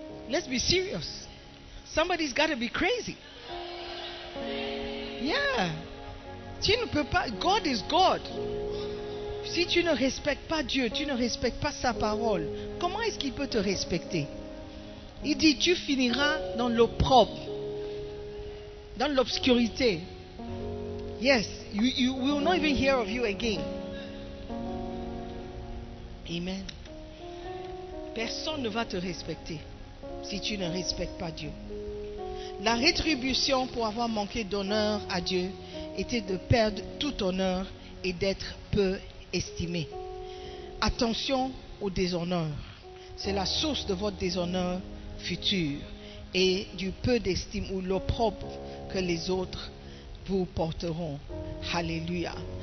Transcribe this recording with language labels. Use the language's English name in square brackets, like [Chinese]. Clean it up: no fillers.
[English] Let's be serious. Somebody's got to be crazy. Yeah. [French] Tu ne peux pas. [English] God is God. [French] Si tu ne respectes pas Dieu, tu ne respectes pas sa parole, comment est-ce qu'il peut te respecter? Il dit, tu finiras dans l'opprobre, dans l'obscurité. [English] Yes, you will not even hear of you again. Amen. [French] Personne ne va te respecter si tu ne respectes pas Dieu. La rétribution pour avoir manqué d'honneur à Dieu était de perdre tout honneur et d'être peu estimé. Attention au déshonneur. C'est la source de votre déshonneur futur et du peu d'estime ou l'opprobre que les autres vous porteront. Alléluia.